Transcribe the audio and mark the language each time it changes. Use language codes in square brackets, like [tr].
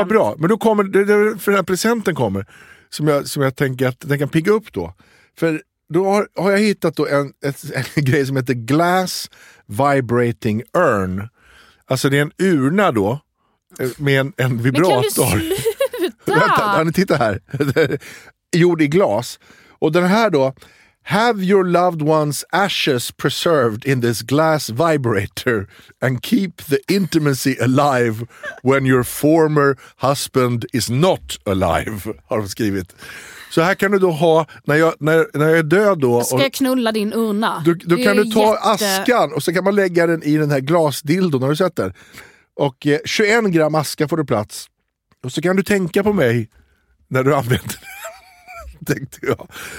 [sv] Men vad bra, men då kommer, för den här presenten kommer, som jag tänker att den kan pigga upp då. För då har jag hittat då en grej som heter Glass Vibrating Urn. Alltså det är en urna då med en vibrator. Men kan du sluta? Vänta, titta här. Gjord i glas. Och den här då, [en] have your loved one's ashes preserved in this glass vibrator and keep the intimacy alive when your former husband is not alive, [sv] har de skrivit. Så här kan du då ha, när jag är död då... Ska jag knulla din urna? Då kan du ta askan och så kan man lägga den i den här glasdildon, har du sett den? Och 21 gram aska får du plats. Och så kan du tänka på mig när du använder den, tänkte jag.